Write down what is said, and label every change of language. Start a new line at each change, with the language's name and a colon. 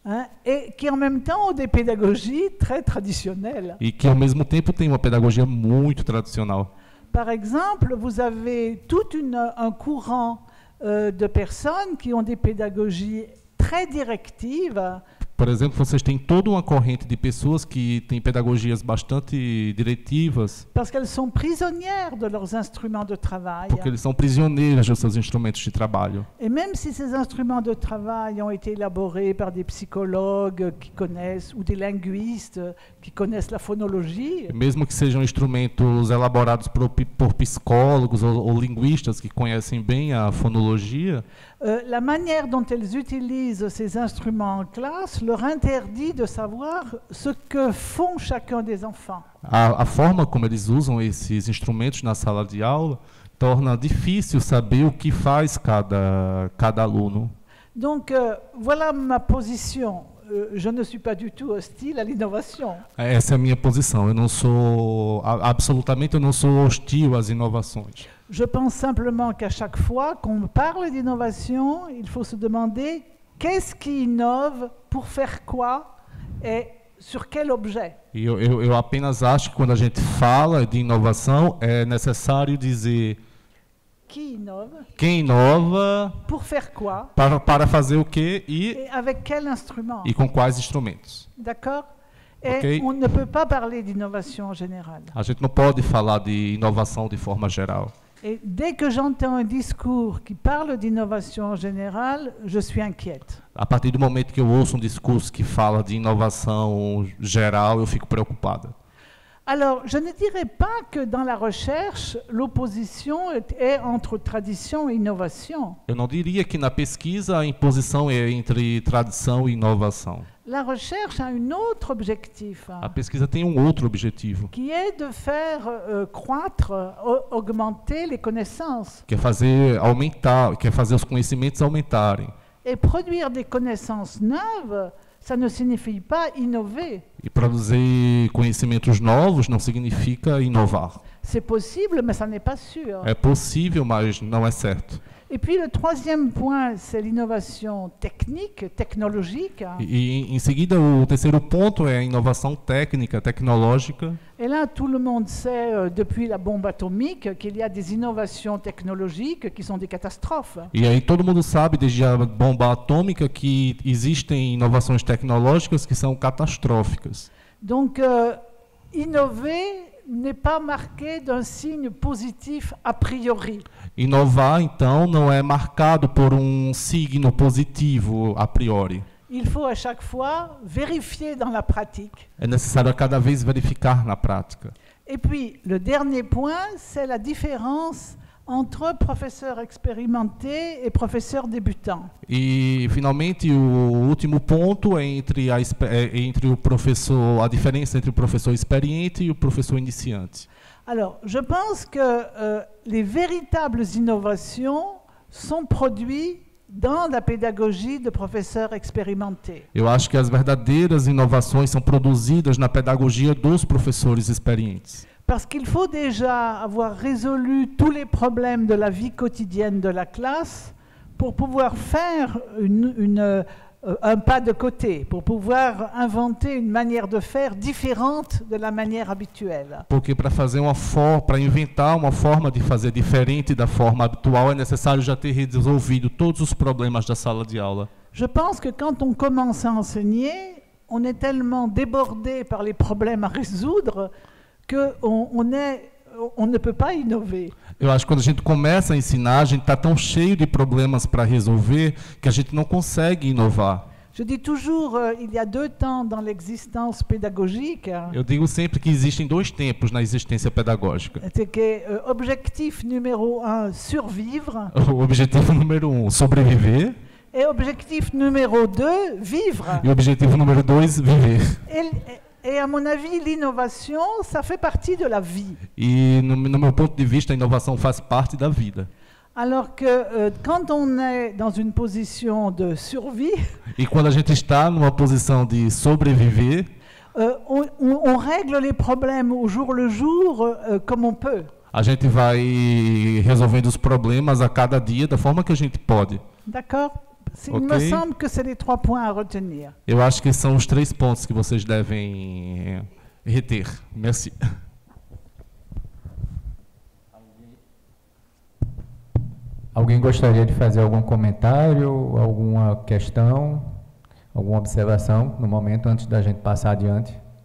French: Hein, et qui en même temps ont des pédagogies très traditionnelles.
Portuguese: E que ao mesmo tempo tem uma pedagogia muito tradicional.
French: Par exemple, vous avez tout un courant de personnes qui ont des pédagogies très directives.
Portuguese: Por exemplo, vocês têm toda uma corrente de pessoas que têm pedagogias bastante diretivas. Porque
French: elles sont prisonnières de leurs instruments de travail.
Portuguese: Porque eles são prisioneiros dos seus instrumentos de trabalho.
French: Et même si ces instruments de travail ont été élaborés par des psychologues qui connaissent ou des linguistes qui connaissent la phonologie.
Portuguese: Mesmo que sejam instrumentos elaborados por psicólogos ou linguistas que conhecem bem a fonologia,
French: la manière dont elles utilisent ces instruments en classe leur interdit de savoir ce que font chacun des enfants.
Portuguese: A forma como eles usam esses instrumentos na sala de aula torna difícil saber o que faz cada aluno.
French: Donc voilà ma position. Je ne suis pas du tout hostile à l'innovation.
Portuguese: Essa é a minha posição. Eu não sou hostil às inovações.
French: Je pense simplement qu'à chaque fois qu'on parle d'innovation, il faut se demander qu'est-ce qui innove, pour faire quoi et sur quel objet.
Portuguese: Eu apenas acho que quando a gente fala de inovação, é necessário dizer
French: qui innove,
Portuguese: quem inova,
French: pour faire quoi,
Portuguese: para fazer o quê
French: et avec quel instrument.
Portuguese: E com quais instrumentos.
French: D'accord? Et okay. On ne peut pas parler d'innovation en général.
Portuguese: A gente não pode falar de inovação de forma geral.
French: Et dès que j'entends un discours qui parle d'innovation en général, je suis inquiète.
Portuguese: À partir du moment que eu ouço discurso que fala de inovação geral, eu fico preocupada.
French: Alors, je ne dirais pas que dans la recherche, l'opposition est entre tradition et innovation.
Portuguese: Eu não diria que na pesquisa a imposição é entre tradição e inovação.
French: La recherche a un autre objectif.
Portuguese: A pesquisa tem outro objetivo.
French: Qui est de faire croître, augmenter les connaissances.
Portuguese: Quer fazer os conhecimentos aumentarem.
French: Et produire des connaissances neuves, ça ne signifie pas innover.
Portuguese: E produzir conhecimentos novos não significa inovar.
French: C'est possible, mais ça n'est pas sûr.
Portuguese: É possível, mas não é certo.
French: Et puis le troisième point, c'est l'innovation technique, technologique.
Portuguese: Et en seguida, le terceiro ponto é a inovação técnica, tecnológica.
French: Et là, tout le monde sait depuis la bombe atomique qu'il y a des innovations technologiques qui sont des catastrophes.
Portuguese: E aí todo mundo sabe desde a bomba atômica que existem inovações tecnológicas que são catastróficas.
French: Donc innover n'est pas marqué d'un signe positif a priori.
Portuguese: Inovar, então, não é marcado por signo positivo a priori.
French: Il faut à chaque fois vérifier dans la pratique.
Portuguese: É necessário cada vez verificar na prática.
French: Et puis, le dernier point, c'est la différence entre professeurs expérimentés et professeurs débutants.
Portuguese: E, finalmente, o último ponto é a diferença entre o professor experiente e o professor iniciante.
French: Alors, je pense que les véritables innovations sont produites dans la pédagogie de professeurs expérimentés.
Portuguese: Eu acho que as verdadeiras inovações são produzidas na pedagogia dos professores experientes.
French: Parce qu'il faut déjà avoir résolu tous les problèmes de la vie quotidienne de la classe pour pouvoir faire une un pas de côté pour pouvoir inventer une manière de faire différente de la manière habituelle.
Portuguese: Porque para fazer uma forma, para inventar uma forma de fazer diferente da forma habitual, é necessário já ter resolvido todos os problemas da sala de aula.
French: Je pense que quand on commence à enseigner, on est tellement débordé par les problèmes à résoudre que on ne peut pas innover.
Portuguese: Eu acho que quando a gente começa a ensinar, a gente está tão cheio de problemas para resolver que a gente não consegue inovar.
French: Je dis toujours, il y a deux temps dans l'existence pédagogique.
Portuguese: Eu digo sempre que existem dois tempos na existência pedagógica.
French: C'est que objectif numéro un, survivre.
Portuguese: O objetivo número um, sobreviver.
French: Et objectif numéro deux, vivre.
Portuguese: E objetivo número dois, viver.
French: Et à mon avis, l'innovation, ça fait partie de la vie.
Portuguese: E no meu ponto de vista, a inovação faz parte da vida.
French: Alors que quand on est dans une position de survie,
Portuguese: e quando a gente está numa posição de sobreviver,
French: on règle les problèmes au jour le jour comme on peut.
Portuguese: A gente vai resolvendo os problemas a cada dia da forma que a gente pode.
French: D'accord? Okay. Il me semble que c'est les trois points à retenir.
Portuguese: Eu acho que são os três pontos que vocês devem reter.
French: Merci.
Portuguese: Alguém gostaria de fazer algum comentário, alguma questão, alguma observação no momento antes da gente passar adiante?